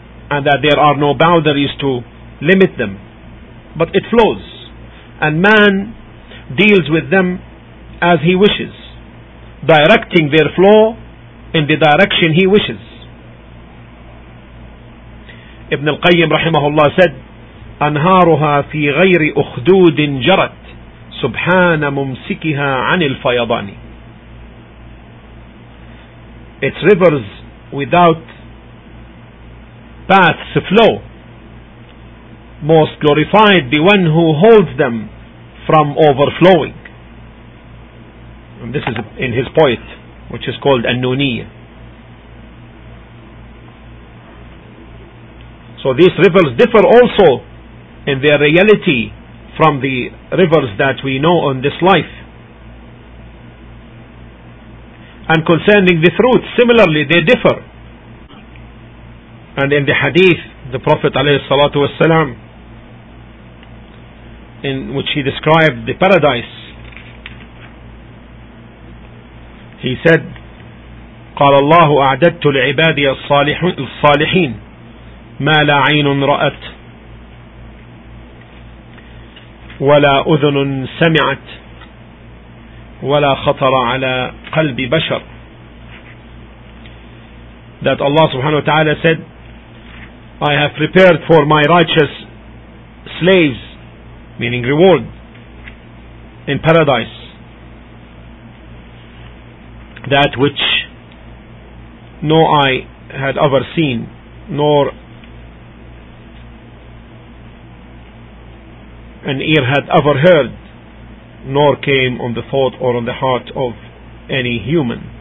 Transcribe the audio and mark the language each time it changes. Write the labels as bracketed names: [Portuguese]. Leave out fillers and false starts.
[English] And that there are no boundaries to limit them. But it flows. And man deals with them as he wishes, directing their flow in the direction he wishes. Ibn al-Qayyim rahimahullah said, [Arabic] أَنْهَارُهَا فِي غَيْرِ أُخْدُودٍ جَرَتْ سُبْحَانَ مُمْسِكِهَا عَنِ الْفَيَضَانِ. [English] Its rivers without paths flow. Most glorified the one who holds them from overflowing. And this is in his poet, which is called An-Nuniyyah. So these rivers differ also in their reality from the rivers that we know in this life. And concerning the fruits, similarly they differ. And in the hadith, the Prophet ﷺ, in which he described the paradise, he said, [Arabic] قال الله أعددت لعبادي الصالحين ما لا عين رأت ولا أذن سمعت ولا خطر على قلب بشر. [English] That Allah subhanahu wa ta'ala said, I have prepared for my righteous slaves, meaning reward, in paradise, that which no eye had ever seen, nor an ear had ever heard, nor came on the thought or on the heart of any human.